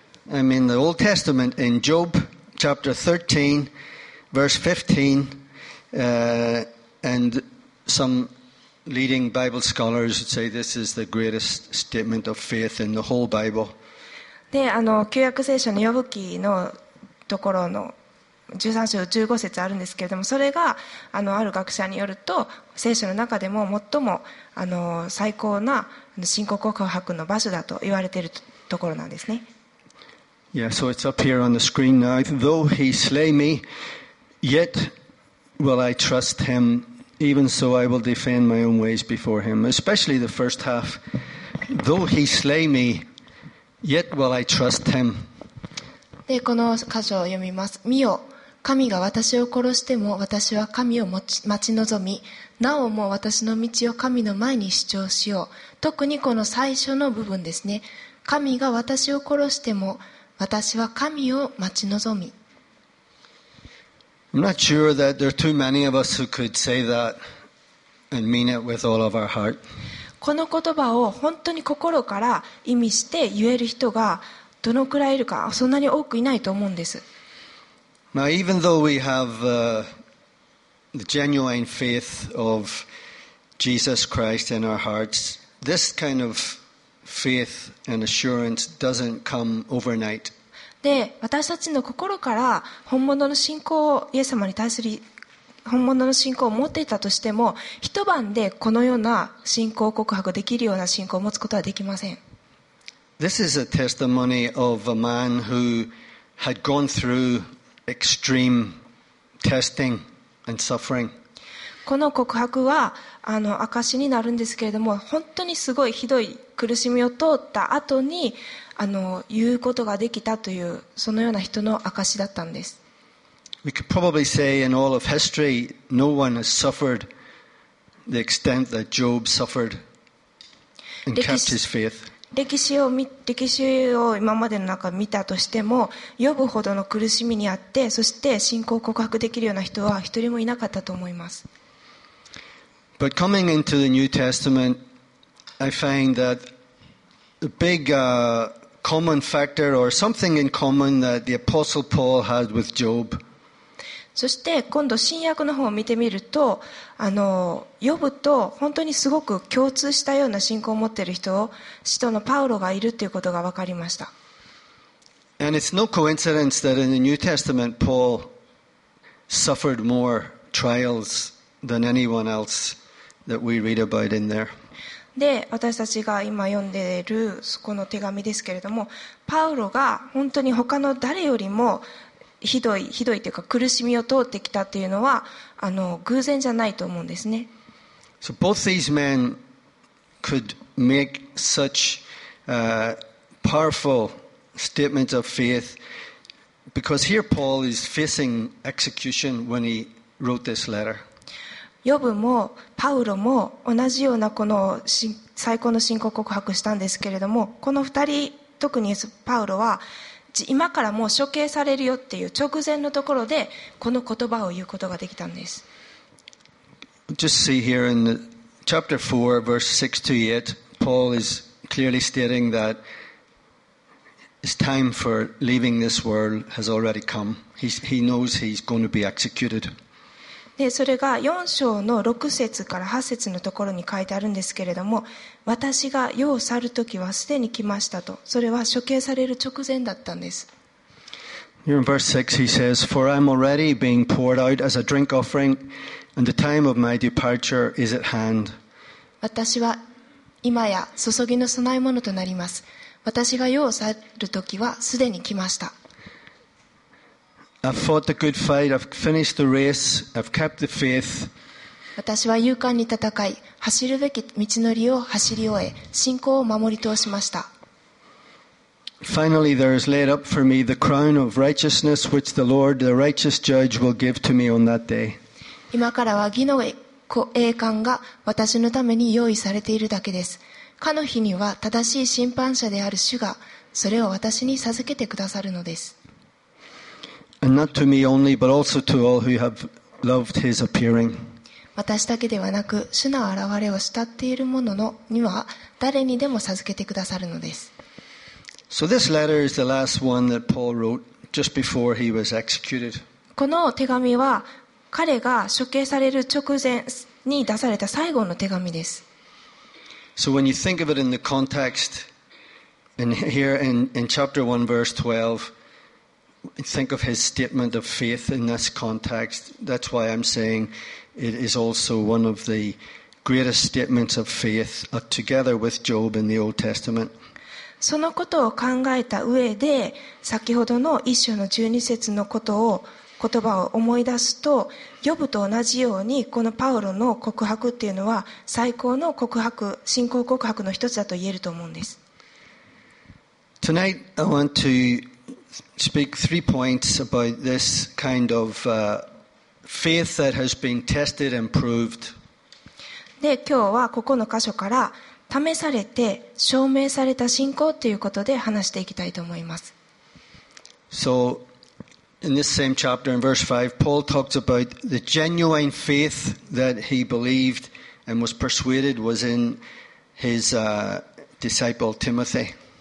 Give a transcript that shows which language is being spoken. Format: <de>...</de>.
<en>I mean, the Old Testament in Job chapter 13, verse 15, and some leading Bible scholars would say this is the greatest statement of faith in the whole Bible.</en> <ja>で、旧約聖書のヨブ記のところの13章15節あるんですけれども、それがある学者によると聖書の中でも最も最高な信仰告白の場所だと言われている ところなんですね。</ja> <en>Yeah, so it's up here on the screen now. Though he slay me, yet will I trust him. Even so I will defend my own ways before him. Especially the first half. Though he slay me, yet will I trust him.</en> <ja>でこの箇所を読みます。見よ、神が私を殺しても私は神を待ち望み、なおも私の道を神の前に主張しよう。特にこの最初の部分ですね。神が私を殺しても私は神を待ち望み。</ja> <en>I'm not sure that there are too many of us who could say that and mean it with all of our heart.</en> <ja>この言葉を本当に心から意味して言える人がどのくらいいるか、そんなに多くいないと思うんです。</ja> <en>Now, even though we have the genuine faith of Jesus Christ in our hearts, this kind of faith and assurance doesn't come overnight.</en> <ja>で、私たちの心から本物の信仰を、イエス様に対する本物の信仰を持っていたとしても、一晩でこのような信仰告白できるような信仰を持つことはできません。</ja> <en>This is a testimony of a man who had gone through extreme testing and suffering.</en> <ja>この告白は証になるんですけれども、本当にすごいひどい苦しみを通った後に言うことができたという、そのような人の証だったんです。</ja> <en>We could probably say in all of history no one has suffered the extent that Job suffered and kept his faith.</en> <ja>歴史を今までの中を見たとしても、ヨブほどの苦しみにあって、そして信仰告白できるような人は一人もいなかったと思います。</ja> <en>But coming into the New Testament, I find that a big common factor or something in common that the Apostle Paul had with Job.</en> <ja>そして今度新約の方を見てみると、ヨブと本当にすごく共通したような信仰を持っている人を使徒のパウロがいるということが分かりました。</ja> <en>And it's no coincidence that in the New Testament, Paul suffered more trials than anyone else that we read about in there.</en> <ja>で、私たちが今読んでいるそこの手紙ですけれども、パウロが本当に他の誰よりもひどいというか苦しみを通ってきたというのは偶然じゃないと思うんですね。</ja> <en>So both these men could make such powerful statements of faith because here Paul is facing execution when he wrote this letter.</en> <ja>ヨブもパウロも同じようなこの最高の信仰告白したんですけれども、この2人、特にパウロは今からもう処刑されるよっていう直前のところでこの言葉を言うことができたんです。</ja> <en>Just see here in the chapter 4, verse 6 to 8, Paul is clearly stating that his time for leaving this world has already come. He knows he's going to be executed.</en> <ja>で、それが4章の6節から8節のところに書いてあるんですけれども、私が世を去るときはすでに来ましたと、それは処刑される直前だったんです。</ja> <en>Here in verse 6 he says, For I am already being poured out as a drink offering, and the time of my departure is at hand.</en> <ja>私は今や注ぎの供え物となります。私が世を去るときはすでに来ました。</ja> <en>I've fought the good fight, I've finished the race, I've kept the faith.</en> <ja>私は勇敢に戦い、走るべき道のりを走り終え、信仰を守り通しました。</ja> <en>Finally, there is laid up for me the crown of righteousness which the Lord, the righteous judge, will give to me on that day.</en> <ja>今からは義の栄冠が私のために用意されているだけです。かの日には正しい審判者である主がそれを私に授けてくださるのです。</ja> <en>And not to me only, but also to all who have loved his appearing.</en> <ja>私だけではなく、主の現れを慕っている者には誰にでも授けてくださるのです。</ja> <en>So this letter is the last one that Paul wrote just before he was executed.</en> <ja>この手紙は彼が処刑される直前に出された最後の手紙です。</ja> <en>So when you think of it in the context, and here in chapter 1 verse 12,Think of his statement of faith in this context. That's why I'm saying it is also one of the greatest statements of faith, together with Job in the Old Testament.</en> <ja>そのことを考えた上で、先ほどの1章の12節のことを言葉を思い出すと、ヨブと同じようにこのパウロの告白っていうのは最高の告白、信仰告白の一つだと言えると思うんです。</ja> <en>Tonight I want to speak three points about this kind of faith that has been tested and proved.</en> <ja>で、今日はここの箇所から試されて証明された信仰ということで話していきたいと思います。</ja> <en>So, in this same chapter in verse 5, Paul talks about the genuine faith that he believed and was persuaded was in his disciple Timothy.</en>